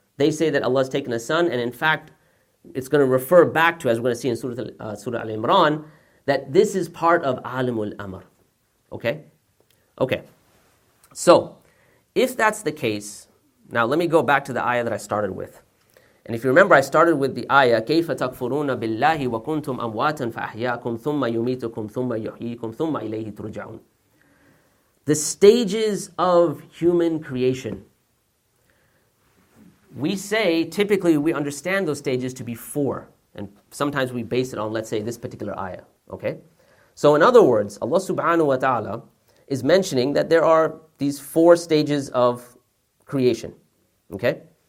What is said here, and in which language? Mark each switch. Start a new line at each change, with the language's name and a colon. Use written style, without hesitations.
English: They say that Allah has taken a son, and in fact, it's going to refer back to, as we're going to see in Surah Al-Imran, that this is part of Alimul Amr. Okay? Okay. So, if that's the case, now let me go back to the ayah that I started with. And if you remember, I started with the ayah,
Arabic: كَيْفَ تَكْفُرُونَ بِاللَّهِ وَكُنْتُمْ أَمْوَاتًا فَأَحْيَاكُمْ ثُمَّ يُمِيتُكُمْ ثُمَّ يُحْيِيكُمْ ثُمَّ إِلَيْهِ تُرْجَعُونَ.
English: The stages of human creation. We say, typically, we understand those stages to be four. And sometimes we base it on, let's say, this particular ayah. Okay? So in other words, Allah subhanahu wa ta'ala is mentioning that there are these four stages of creation. Okay?